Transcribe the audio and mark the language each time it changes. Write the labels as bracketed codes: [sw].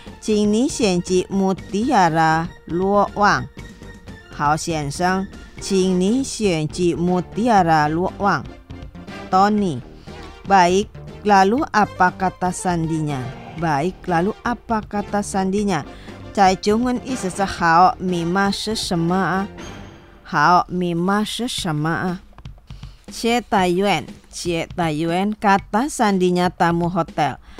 [zh] 请你选择穆迪亚拉罗网。好先生，请你选择穆迪亚拉罗网。 [id] Tony, baik, lalu apa kata sandinya? Baik, lalu apa kata sandinya? [zh] 在中文意思是好，密码是什么啊？好，密码是什么啊？ [id] 接待员 kata sandinya tamu hotel.